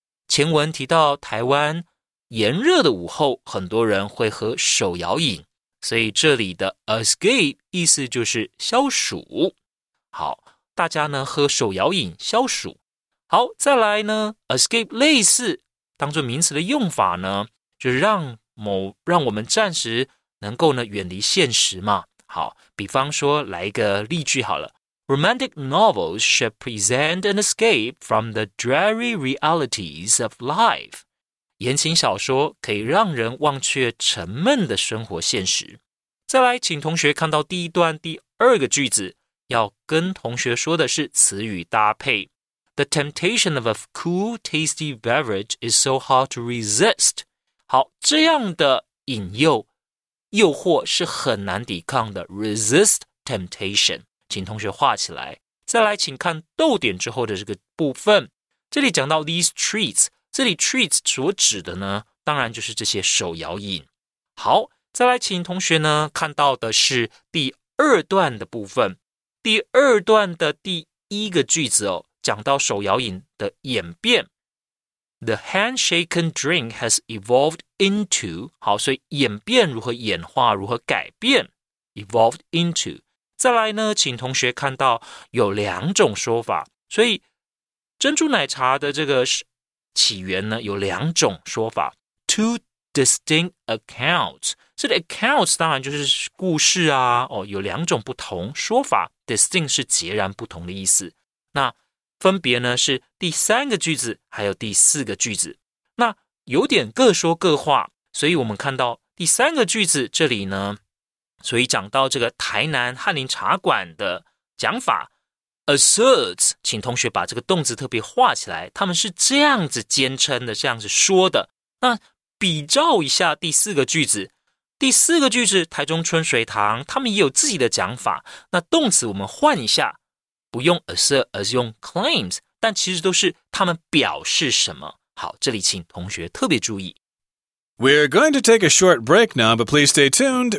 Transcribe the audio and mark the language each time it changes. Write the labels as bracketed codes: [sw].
[zh] 前文提到台湾炎热的午后很多人会喝手摇饮，所以这里的 escape 意思就是消暑。好，大家呢喝手摇饮消暑。好，再来呢 escape 类似当作名词的用法呢，就让我们暂时能够呢远离现实嘛。好，比方说来一个例句好了， [en] Romantic novels should present an escape from the dreary realities of life。 [zh] 言情小说可以让人忘却沉闷的生活现实。再来请同学看到第一段第二个句子，要跟同学说的是词语搭配。 [en] The temptation of a cool, tasty beverage is so hard to resist. [zh] 好，这样的引诱，诱惑是很难抵抗的。 [en] Resist temptation. [zh] 请同学画起来。再来请看逗点之后的这个部分。这里讲到 [en] these treats。 [zh] 这里 treats 所指的呢，当然就是这些手摇饮。好，再来请同学呢看到的是第二段的部分。第二段的第一个句子哦，讲到手摇饮的演变。 [en] The handshaken drink has evolved into, [zh] 好，所以演变如何演化，如何改变， [en] evolved into。 [zh] 再来呢，请同学看到有两种说法，所以珍珠奶茶的这个起源呢有两种说法， [en] two distinct accounts。 [zh] 这里 accounts 当然就是故事啊，哦，有两种不同说法， distinct 是截然不同的意思，那分别呢是第三个句子还有第四个句子，那有点各说各话，所以我们看到第三个句子这里呢，所以讲到这个台南翰林茶馆的讲法 asserts， 请同学把这个动词特别画起来，他们是这样子坚称的，这样子说的。那比照一下第四个句子，第四个句子台中春水堂他们也有自己的讲法，那动词我们换一下，不用 assert 而是用 claims， 但其实都是他们表示什么。好，这里请同学特别注意。 [en] We're going to take a short break now, but please stay tuned.